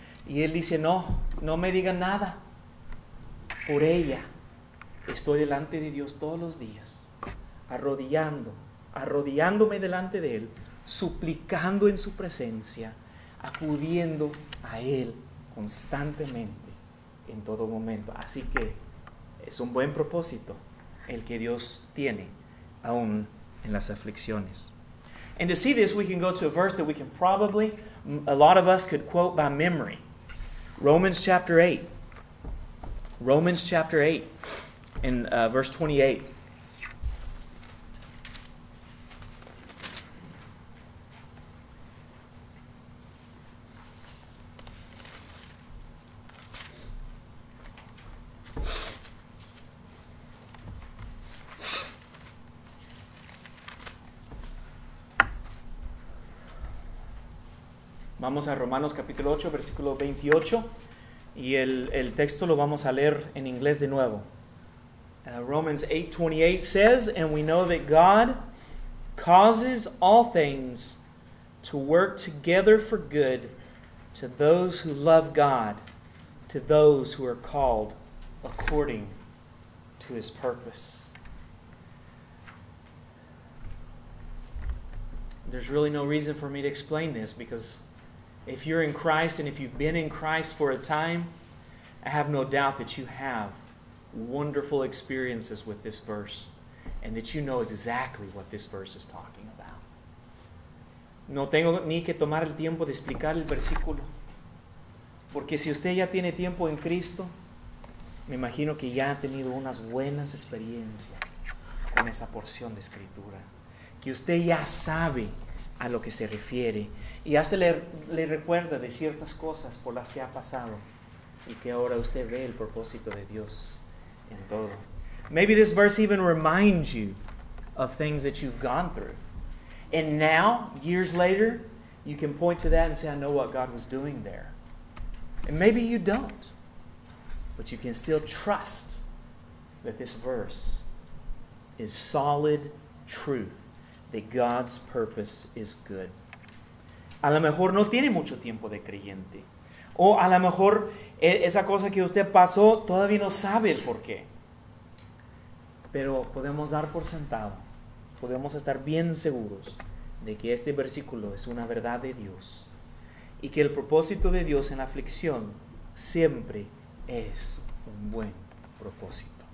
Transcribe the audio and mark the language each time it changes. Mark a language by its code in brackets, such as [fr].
[es] Y él dice: no me digan nada. Por ella estoy delante de Dios todos los días, arrodillándome delante de Él, suplicando en su presencia, acudiendo a Él constantemente en todo momento. Así que es un buen propósito el que Dios tiene aún en las aflicciones. [en] And to see this, we can go to a verse that we can probably, a lot of us could quote by memory. Romans chapter 8. Romans chapter 8 and verse 28. [es] Vamos a Romanos capítulo 8, versículo 28. Y el texto lo vamos a leer en inglés de nuevo. [en] Romans 8:28 says, "And we know that God causes all things to work together for good to those who love God, to those who are called according to his purpose." There's really no reason for me to explain this, because if you're in Christ and if you've been in Christ for a time, I have no doubt that you have wonderful experiences with this verse and that you know exactly what this verse is talking about. [es] No tengo ni que tomar el tiempo de explicar el versículo, porque si usted ya tiene tiempo en Cristo, me imagino que ya ha tenido unas buenas experiencias con esa porción de Escritura, que usted ya sabe a lo que se refiere y hace le recuerda de ciertas cosas por las que ha pasado y que ahora usted ve el propósito de Dios en todo. [en] Maybe this verse even reminds you of things that you've gone through, and now years later you can point to that and say, "I know what God was doing there." And maybe you don't, but you can still trust that this verse is solid truth, that God's purpose is good. [es] A lo mejor no tiene mucho tiempo de creyente. O a lo mejor esa cosa que usted pasó todavía no sabe el por qué. Pero podemos dar por sentado, podemos estar bien seguros de que este versículo es una verdad de Dios y que el propósito de Dios en la aflicción siempre es un buen propósito.